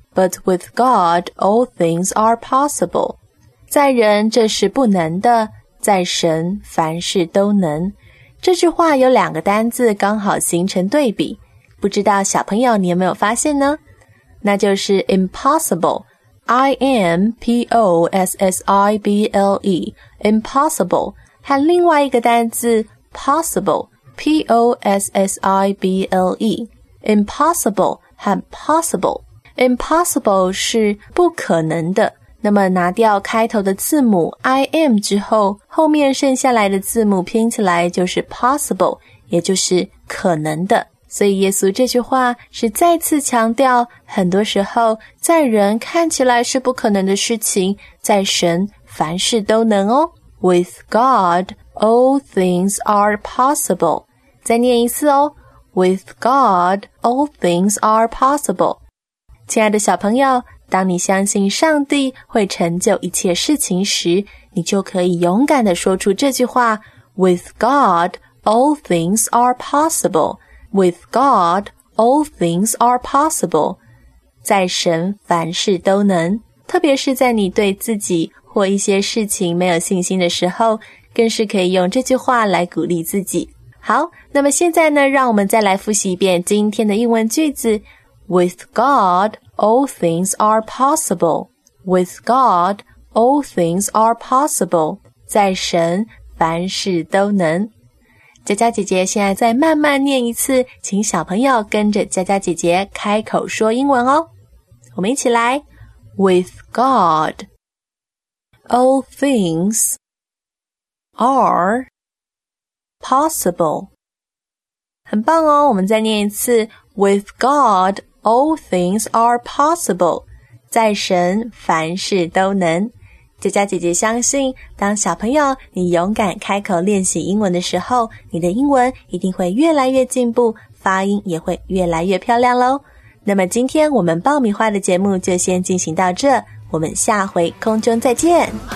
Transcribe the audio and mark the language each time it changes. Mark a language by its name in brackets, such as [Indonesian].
[English] But with God, all things are possible. [Chinese] 在人这是不能的，在神凡事都能。这句话有两个单字刚好形成对比，不知道小朋友你有没有发现呢？那就是 impossible。I-M-P-O-S-S-I-B-L-E Impossible 和另外一个单字 Possible P-O-S-S-I-B-L-E Impossible 和 Possible Impossible 是不可能的，那么拿掉开头的字母 I-M 之后，后面剩下来的字母拼起来就是 Possible， 也就是可能的。所以耶稣这句话是再次强调，很多时候在人看起来是不可能的事情，在神凡事都能哦。 [English] With God, all things are possible. [Chinese] 再念一次哦。 [English] With God, all things are possible. [Chinese] 亲爱的小朋友，当你相信上帝会成就一切事情时，你就可以勇敢地说出这句话 [English] With God, All things are possible. With God, all things are possible. [Chinese] 在神凡事都能，特别是在你对自己或一些事情没有信心的时候，更是可以用这句话来鼓励自己。好，那么现在呢，让我们再来复习一遍今天的英文句子。 [English] With God, all things are possible. With God, all things are possible. [Chinese] 在神凡事都能。佳佳姐姐现在再慢慢念一次，请小朋友跟着佳佳姐姐开口说英文哦。我们一起来 [English] ,With God, all things are possible. [Chinese] 很棒哦，我们再念一次 [English] ,With God, all things are possible. [Chinese] 在神凡事都能。佳佳姐姐相信，当小朋友你勇敢开口练习英文的时候，你的英文一定会越来越进步，发音也会越来越漂亮咯。那么今天我们爆米花的节目就先进行到这，我们下回空中再见。